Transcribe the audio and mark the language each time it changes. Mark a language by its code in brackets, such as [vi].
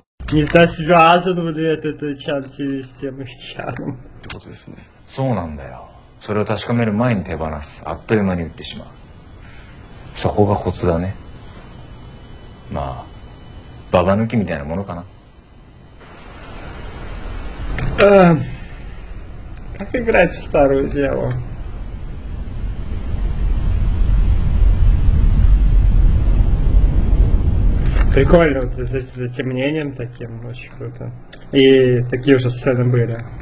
[ru] Не связан вот этот Эйчан ТВ с тем Эйчаном. [ja] そうなんだよ. それを確かめる前に手放す。あっという間に売ってしまう。そこがコツだね。まあ、ババ抜きみたいなものかな。 [ru] Как играть в старую деву? Прикольно, вот с этим затемнением таким, очень круто. И такие уже сцены были.